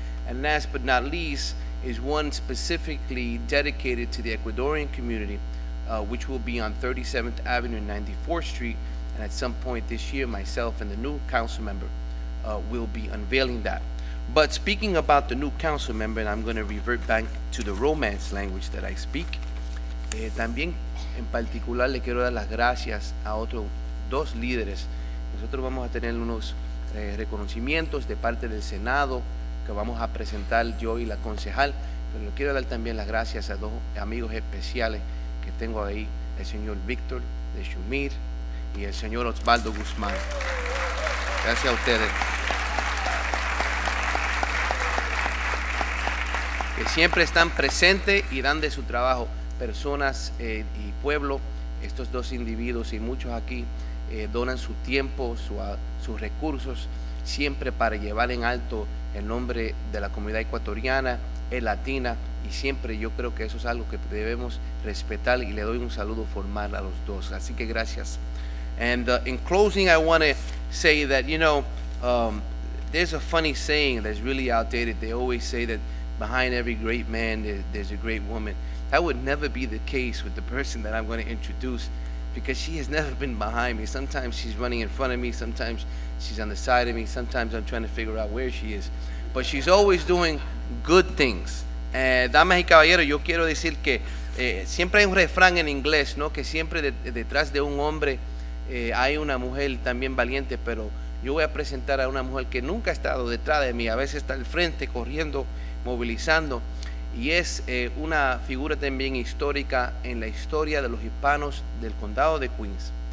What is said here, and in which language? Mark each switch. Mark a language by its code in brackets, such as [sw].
[en] And last but not least is one specifically dedicated to the Ecuadorian community, which will be on 37th Avenue and 94th Street. And at some point this year, myself and the new council member will be unveiling that. But speaking about the new council member, and I'm going to revert back to the romance language that I speak. [es] También, en particular, le quiero dar las gracias a otros dos líderes. Nosotros vamos a tener unos reconocimientos de parte del Senado que vamos a presentar yo y la concejal. Pero le quiero dar también las gracias a dos amigos especiales que tengo ahí, el señor Víctor de Shumir y el señor Osvaldo Guzmán. Gracias a ustedes. Que siempre están presentes y dan de su trabajo. Personas y pueblo, estos dos individuos y muchos aquí donan su tiempo, sus recursos, siempre para llevar en alto el nombre de la comunidad ecuatoriana, el latina, y siempre yo creo que eso es algo que debemos respetar, y le doy un saludo formal a los dos. Así que gracias. [en] And in closing, I want to say that, you know, there's a funny saying that's really outdated. They always say that behind every great man, there's a great woman. That would never be the case with the person that I'm going to introduce, because she has never been behind me. Sometimes she's running in front of me. Sometimes she's on the side of me. Sometimes I'm trying to figure out where she is. But she's always doing good things. [es] Damas y caballeros, yo quiero decir que siempre hay un refrán en inglés, ¿no? Que siempre detrás de un hombre hay una mujer también valiente. Pero yo voy a presentar a una mujer que nunca ha estado detrás de mí. A veces está al frente, corriendo, movilizando. Y es una figura también histórica en la historia de los hispanos del condado de Queens.